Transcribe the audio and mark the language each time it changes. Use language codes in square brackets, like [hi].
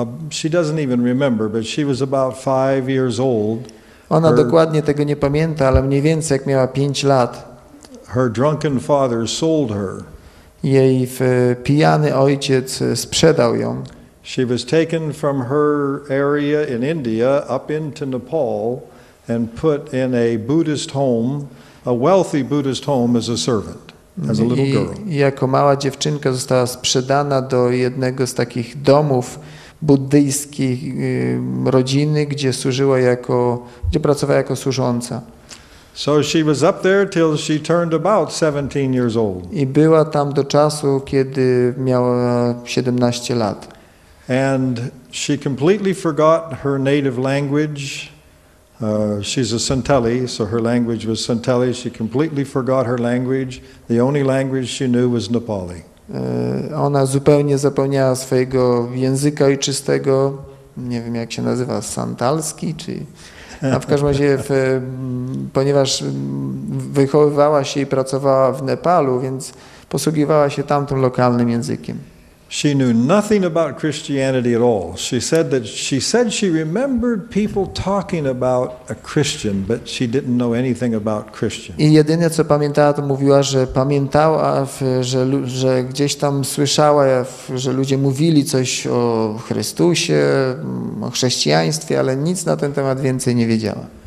[en] She doesn't even remember, but she was about 5 years old. [pl] Ona dokładnie tego nie pamięta, ale mniej więcej jak miała 5 lat. [en] Her drunken father sold her. [pl] Jej pijany ojciec sprzedał ją. [en] She was taken from her area in India up into Nepal and put in a Buddhist home, a wealthy Buddhist home as a servant. As a little girl. [pl] I jako mała dziewczynka została sprzedana do jednego z takich domów buddyjskich rodziny, gdzie służyła jako, gdzie pracowała jako służąca. [en] So she was up there till she turned about 17 years old. [pl] I była tam do czasu, kiedy miała 17 lat. [en] And she completely forgot her native language. She's a Santali, so her language was Santali. She completely forgot her language. The only language she knew was Nepali. [pl] Ona zupełnie zapomniała swojego języka ojczystego. Nie wiem, jak się nazywa, santalski, czy... A w każdym razie, ponieważ wychowywała się i pracowała w Nepalu, więc posługiwała się tamtym lokalnym językiem. [en] She knew nothing about Christianity at all. She said she remembered people talking about a Christian, but she didn't know anything about Christian. [pl] I jedyne co pamiętała, to mówiła, że pamiętała, że gdzieś tam słyszała, że ludzie mówili coś o Chrystusie, o chrześcijaństwie, ale nic na ten temat więcej nie wiedziała.